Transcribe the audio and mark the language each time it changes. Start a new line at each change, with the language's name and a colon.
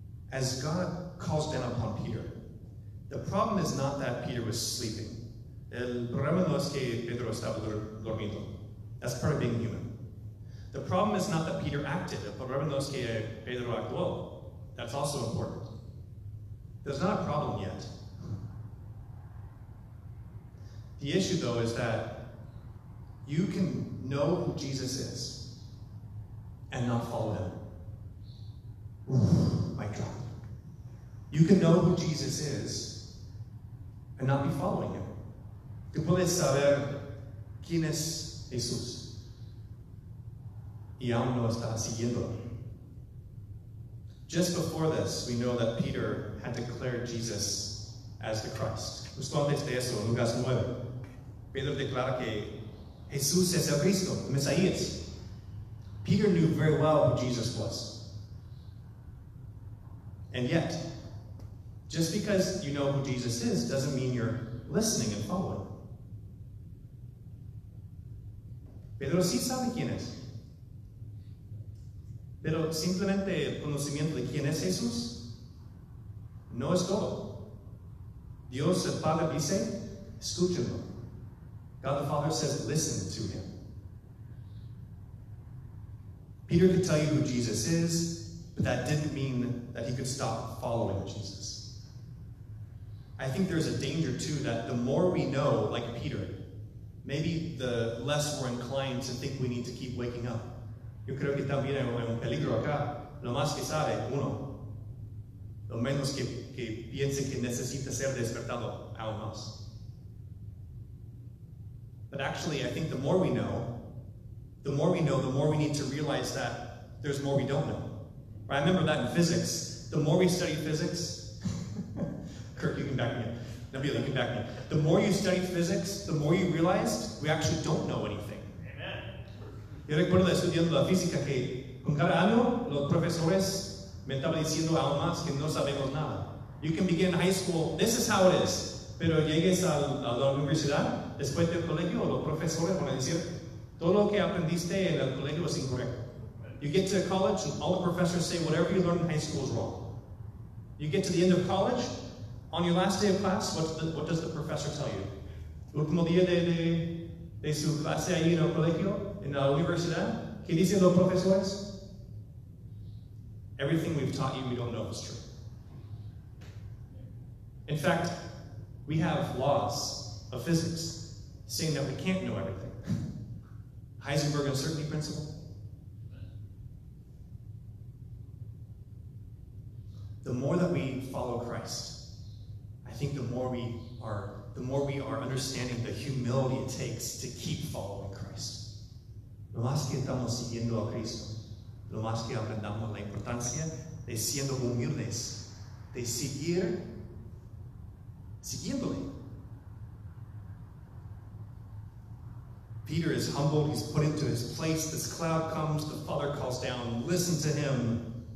English: As God calls down upon Peter, the problem is not that Peter was sleeping.
Spanish: El problema no es que Pedro estaba dormido.
English: That's part of being human. The problem is not that Peter acted.
Spanish: El problema no es que Pedro actuó.
English: That's also important. There's not a problem yet. The issue, though, is that you can know who Jesus is and not follow him. Mic drop. You can know who Jesus is and not be following him.
Spanish: Tú puedes saber quién es Jesús y aún no está siguiendo.
English: Just before this, we know that Peter had declared Jesus as the Christ.
Spanish: Justo antes de eso, Lucas 9, Pedro declara que Jesús es el Cristo, el Mesías.
English: Peter knew very well who Jesus was. And yet, just because you know who Jesus is doesn't mean you're listening and following.
Spanish: Pedro sí sabe quién es. Pero simplemente el conocimiento de quién es Jesús no es todo. Dios el Padre dice, escúchenlo.
English: God the Father says, listen to him. Peter could tell you who Jesus is, but that didn't mean that he could stop following Jesus. I think there's a danger, too, that the more we know, like Peter, maybe the less we're inclined to think we need to keep waking up.
Spanish: Yo creo que también hay un peligro acá. Lo más que sabe, uno. Lo menos que piense que necesita ser despertado, aún más.
English: But actually, I think the more we know, the more we know, the more we need to realize that there's more we don't know. Right? I remember that in physics. The more we study physics, Kirk, you can back me up. Nabil, you can back me up. The more you study physics, the more you realize we actually don't know anything. Amen.
Spanish: Yo recuerdo estudiando la física que con cada año los profesores me estaban diciendo aún más que no sabemos nada.
English: You can begin high school, this is how it is.
Spanish: Pero llegues a la universidad, después del colegio, los profesores van a decir, todo lo que aprendiste en el colegio es incorrecto.
English: You get to college and all the professors say whatever you learned in high school is wrong. You get to the end of college, on your last day of class, what does the professor tell you?
Spanish: Último día de su clase ahí en el colegio, en la universidad, ¿qué dicen los profesores?
English: Everything we've taught you we don't know is true. In fact, we have laws of physics saying that we can't know everything. Heisenberg uncertainty principle. The more that we follow Christ, I think the more we are understanding the humility it takes to keep following Christ.
Spanish: Lo más que estamos siguiendo a Cristo, lo más que aprendamos la importancia de siendo humildes, de seguir siguiéndole.
English: Peter is humbled, he's put into his place, this cloud comes, the Father calls down, listen to him.